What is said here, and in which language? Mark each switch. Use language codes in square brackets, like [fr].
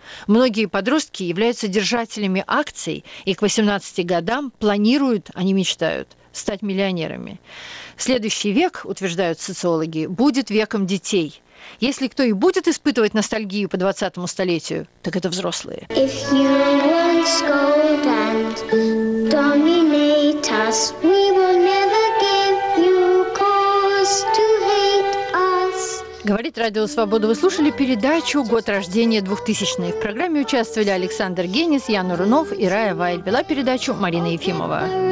[ru] Многие подростки являются держателями акций и к 18 годам планируют, а не мечтают, стать миллионерами. Следующий век, утверждают социологи, будет веком детей. Если кто и будет испытывать ностальгию по 20-му столетию, так это взрослые. [en] If you won't scold and dominate us, we will never give you cause to hate us. [ru] Говорит Радио Свобода. Вы слушали передачу «Год рождения 2000-е». В программе участвовали Александр Генис, Яна Рунов и Рая Вайль. Вела передачу Марина Ефимова.